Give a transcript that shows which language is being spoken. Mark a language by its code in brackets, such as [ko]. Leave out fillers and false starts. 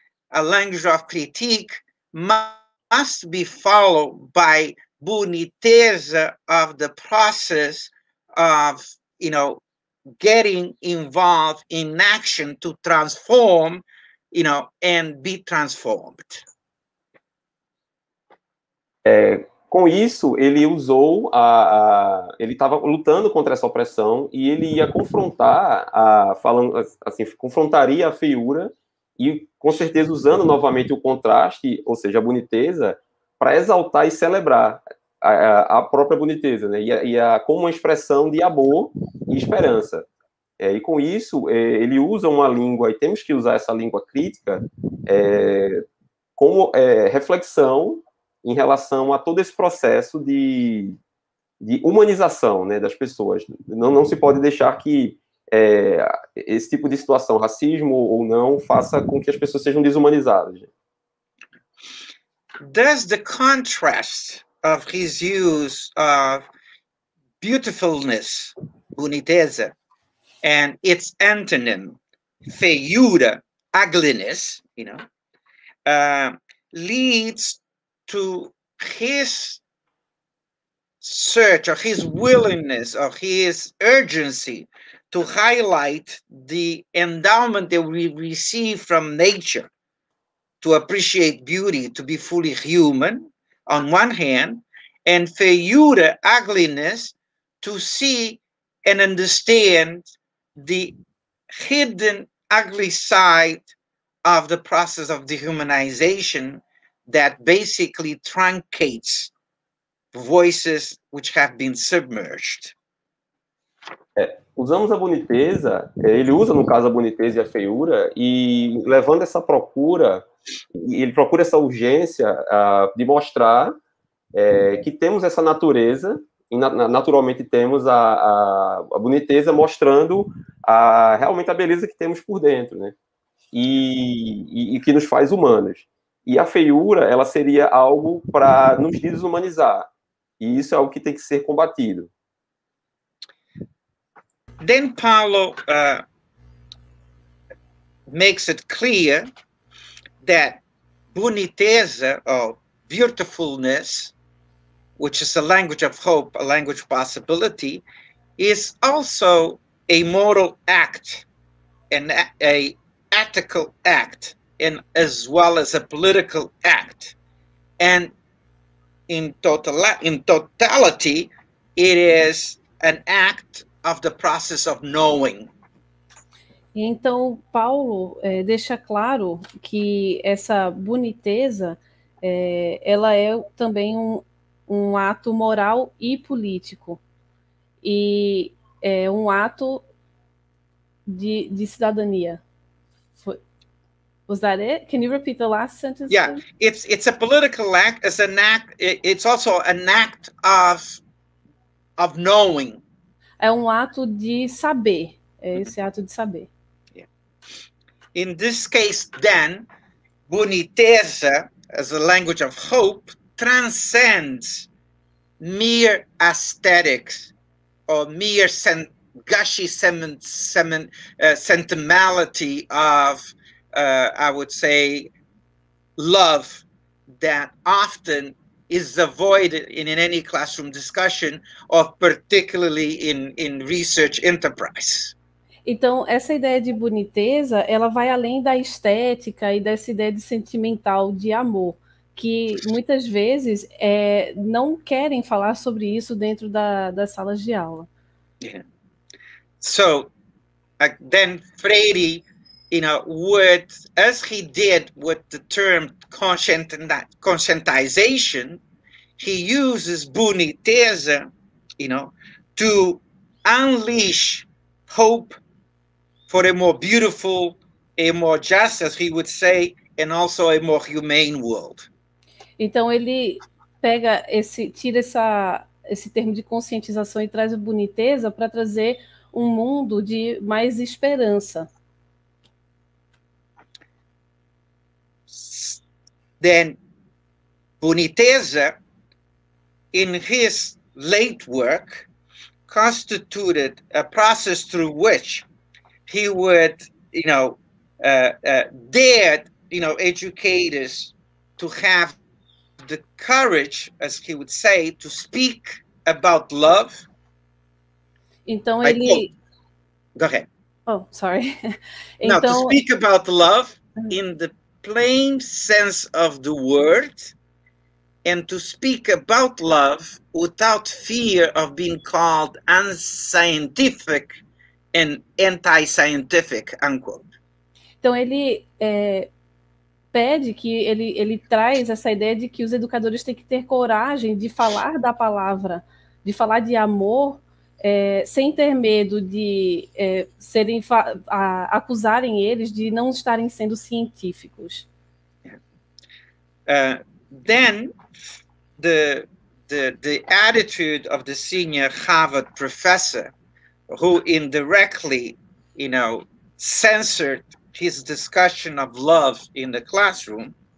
[en] A language of critique must be followed by boniteza of the process of, you know, getting involved in action to transform, you know, and be transformed. [pt] Com isso, ele usou ele estava lutando contra essa opressão e ele ia confrontar confrontaria a feiura e, com certeza, usando novamente o contraste, ou seja, a boniteza, para exaltar e celebrar a própria boniteza, né? E como uma expressão de amor e esperança. E com isso, ele usa uma língua, e temos que usar essa língua crítica como reflexão em relação a todo esse processo de humanização, né, das pessoas. Não se pode deixar que esse tipo de situação, racismo ou não, faça com que as pessoas sejam desumanizadas. [en] Does the contrast of his use of beautifulness, boniteza, and its antonym, feiura, ugliness, you know, leads to his search or his willingness or his urgency to highlight the endowment that we receive from nature to appreciate beauty, to be fully human on one hand, and feiura, ugliness, to see and understand the hidden ugly side of the process of dehumanization that basically truncates voices which have been submerged. [pt] Usamos a boniteza, ele usa, no caso, a boniteza e a feiura, e levando essa procura, ele procura essa urgência de mostrar que temos essa natureza, e naturalmente temos a boniteza mostrando realmente a beleza que temos por dentro, né? E que nos faz humanos. E a feiura, ela seria algo para nos desumanizar. E isso é algo que tem que ser combatido. [en] Then Paulo makes it clear that boniteza, or beautifulness, which is a language of hope, a language of possibility, is also a moral act, an ethical act, and as well as a political act. And in totality, it is an act of the process of knowing. [pt] Então, Paulo deixa claro que essa boniteza, ela é também um ato moral e político. E é um ato de cidadania. [en] Was that it? Can you repeat the last sentence? Yeah, it's a political act. It's an act. It's also an act of knowing. [pt] É um ato de saber. É esse ato de saber. [en] In this case, then, boniteza, as a language of hope, transcends mere aesthetics or mere gushy sentimentality of, I would say, love that often is avoided in any classroom discussion, or particularly in research enterprise. [pt] Então, essa ideia de boniteza, ela vai além da estética e dessa ideia de sentimental de amor, que muitas vezes é, não querem falar sobre isso dentro das salas de aula. [en] Yeah. So, then Freire, you know, would, as he did with the term conscientization, he uses boniteza, you know, to unleash hope for a more beautiful, a more just, as he would say, and also a more humane world. [pt] Então ele pega esse, tira esse termo de conscientização e traz a boniteza para trazer um mundo de mais esperança. [en] Then, boniteza, in his late work, constituted a process through which he would, you know, dare, you know, educators to have the courage, as he would say, to speak about love. [pt] Então ele... [en] Go ahead. Oh, sorry. [pt] Então... [en] Now, to speak about love in the plain sense of the word, and to speak about love without fear of being called unscientific and anti-scientific, unquote. [pt] Então ele pede que ele traz essa ideia de que os educadores têm que ter coragem de falar da palavra, de falar de amor, sem ter medo de serem acusarem eles de não estarem sendo científicos. [en] Then the attitude of the senior Harvard professor, who indirectly, you know, censored his discussion of love in the classroom,